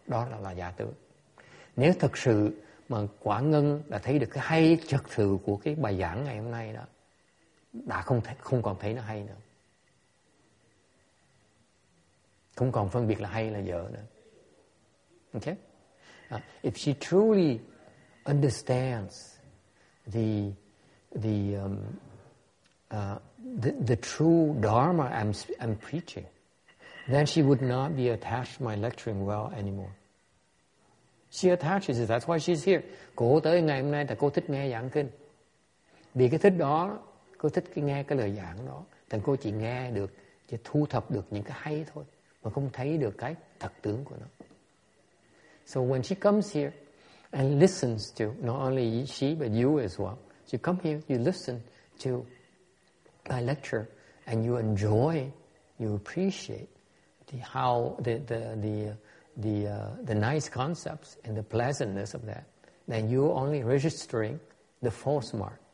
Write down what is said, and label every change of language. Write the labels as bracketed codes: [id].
[vi] Đó là giả tưởng. Nếu thật sự mà Quả Ngân đã thấy được cái hay thật sự của cái bài giảng ngày hôm nay đó, đã không còn thấy nó hay nữa. Không còn phân biệt là hay là dở nữa. [en] Okay? If she truly understands the true dharma I'm preaching, then she would not be attached to my lecturing well anymore. She attaches it. That's why she's here. [vi] Cô tới ngày hôm nay là cô thích nghe giảng kinh. Vì cái thích đó, cô thích nghe cái lời giảng đó. Thành cô chỉ nghe được, chỉ thu thập được những cái hay thôi. Mà không thấy được cái thật tướng của nó. [en] So when she comes here and listens to, not only she but you as well, you come here, you listen to my lecture, and you enjoy, you appreciate the nice concepts and the pleasantness of that, then you're only registering the false mark.